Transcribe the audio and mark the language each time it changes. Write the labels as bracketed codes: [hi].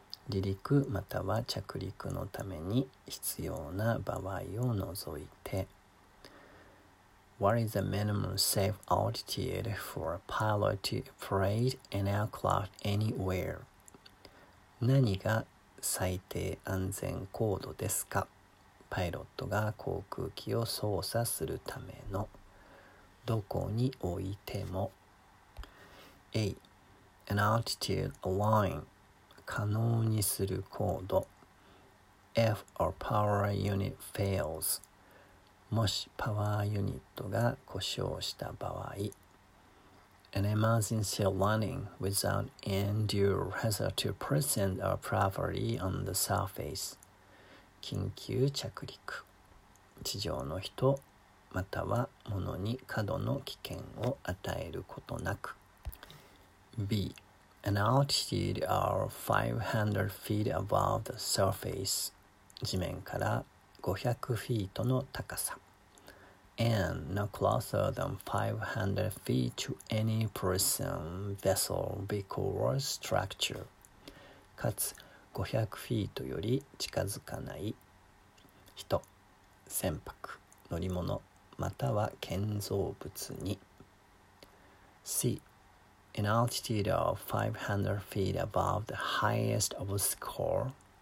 [ja] 離陸または着陸のために必要な場合を除いて。 [en] What is the minimum safe altitude for a pilot to operate an aircraft anywhere? [ja] 何が最低安全高度ですか？パイロットが航空機を操作するためのどこにおいても。 [en] A. An altitude allowing. [ja] 可能にする高度。 [en] If our power unit fails, [ja] もしパワーユニットが故障した場合。 [en] An emergency landing without endure hazard to person or property on the surface. [ja] 緊急着陸。地上の人または物に過度の危険を与えることなく。 [en] B. An altitude of 500 feet above the surface. [ja] 地面から500フィートの高さ。 [en] And no closer than 500 feet to any person, vessel, vehicle, or structure. [ja] かつ500フィートより近づかない人、船舶、乗り物、または建造物に。 [en] C. An altitude of 500 feet above the highest obstacle.